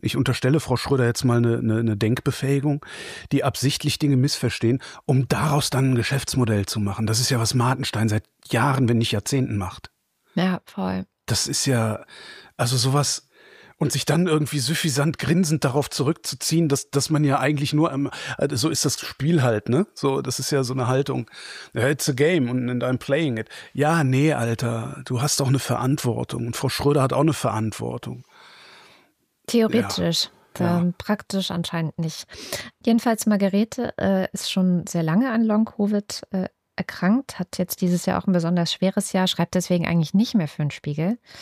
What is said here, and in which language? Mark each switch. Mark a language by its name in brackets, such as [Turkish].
[German] Ich unterstelle Frau Schröder jetzt mal eine Denkbefähigung, die absichtlich Dinge missverstehen, um daraus dann ein Geschäftsmodell zu machen. Das ist ja, was Martenstein seit Jahren, wenn nicht Jahrzehnten macht. Ja, voll. Das ist ja, also sowas, und sich dann irgendwie süffisant grinsend darauf zurückzuziehen, dass man ja eigentlich nur, so ist das Spiel halt, ne? So, das ist ja so eine Haltung. [English] It's a game and I'm playing it. [German] Ja, nee, Alter, du hast auch eine Verantwortung und Frau Schröder hat auch eine Verantwortung. Theoretisch. Ja. Ja. Praktisch anscheinend nicht. Jedenfalls, Margarete ist schon sehr lange an Long-Covid erkrankt, hat jetzt dieses Jahr auch ein besonders schweres Jahr, schreibt deswegen eigentlich nicht mehr für den Spiegel.